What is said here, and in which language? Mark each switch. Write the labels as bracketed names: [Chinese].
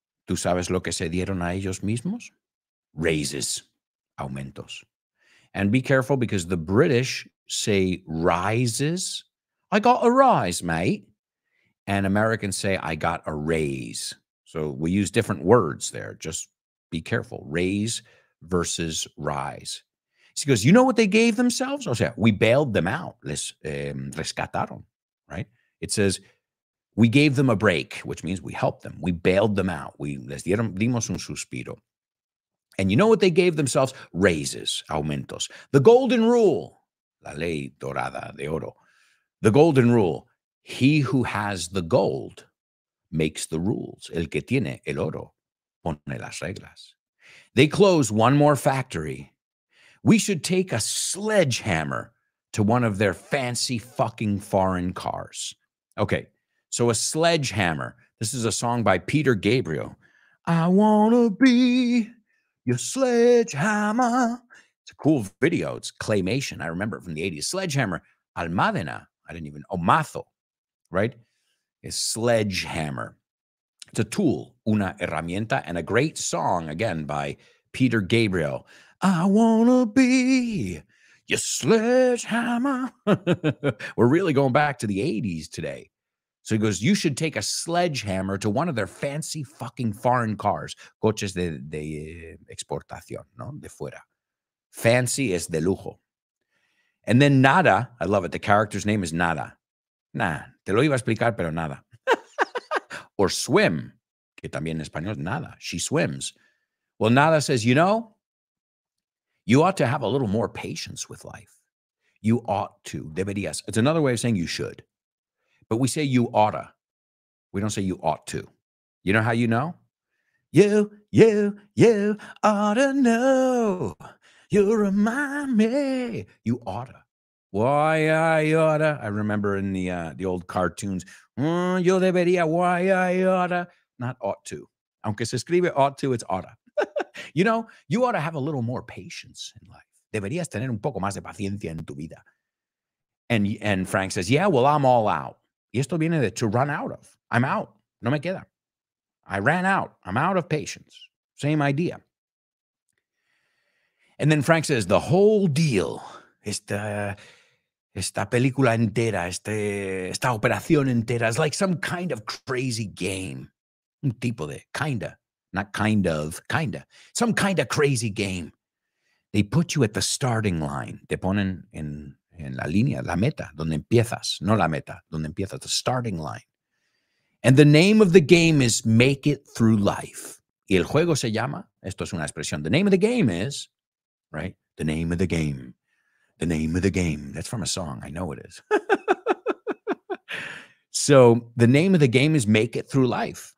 [Spanish] ¿Tú sabes lo que se dieron a ellos mismos? [English] Raises, [Spanish] aumentos. [English] And be careful because the British say rises. I got a rise, mate. And Americans say, I got a raise. So we use different words there. Just be careful. Raise versus rise. She goes, you know what they gave themselves? [Spanish] O sea, [English] we bailed them out. [Spanish] Les rescataron, [English] right? It says, we gave them a break, which means we helped them. We bailed them out. We [Spanish] les dimos un suspiro. [English] And you know what they gave themselves? Raises, [Spanish] aumentos. [English] The golden rule, [Spanish] la ley dorada de oro. [English] The golden rule, he who has the gold makes the rules. [Spanish] El que tiene el oro pone las reglas. [English] They close one more factory. We should take a sledgehammer to one of their fancy fucking foreign cars. Okay, so a sledgehammer, This is a song by Peter Gabriel. I wanna be your sledgehammer. It's a cool video. It's claymation. I remember it from the 80s. Sledgehammer. Almadena. I didn't even. Omazo. Right? It's sledgehammer. It's a tool. [Spanish] Una herramienta. [English] And a great song, again, by Peter Gabriel. I wanna be your sledgehammer. We're really going back to the 80s today. So he goes, you should take a sledgehammer to one of their fancy fucking foreign cars. [Spanish] Coches de exportación, no? De fuera. [English] Fancy [Spanish] es de lujo. [English] And then nada, I love it. The character's name is nada. [Spanish] Nah, te lo iba a explicar, pero nada. [English] Or swim, [Spanish] que también en español, nada. [English] She swims. Well, nada says, you know, you ought to have a little more patience with life. You ought to. [Spanish] Deberías. [English] It's another way of saying you should. But we say you oughta. We don't say you ought to. You know how you know? You oughta know. You remind me. You oughta. Why I oughta. I remember in the old cartoons. [Spanish] Yo debería. [English] Why I oughta. Not ought to. [Spanish] Aunque se escribe [English] ought to, it's oughta. You know, you ought to have a little more patience in life. [Spanish] Deberías tener un poco más de paciencia en tu vida. [English] And Frank says, yeah, well, I'm all out. [Spanish] Y esto viene de [English] to run out of. I'm out. [Spanish] No me queda. [English] I ran out. I'm out of patience. Same idea. And then Frank says, the whole deal, [Spanish] esta película entera, esta operación entera, [English] is like some kind of crazy game. [Spanish] Un tipo de, [English] kinda. Not kind of, kinda. Some kind of crazy game. They put you at the starting line. [Spanish] Te ponen en la línea, la meta, donde empiezas. No la meta, donde empiezas, [English] the starting line. And the name of the game is make it through life. [Spanish] Y el juego se llama, esto es una expresión, [English] the name of the game is, right? The name of the game. The name of the game. That's from a song. I know it is. So the name of the game is make it through life.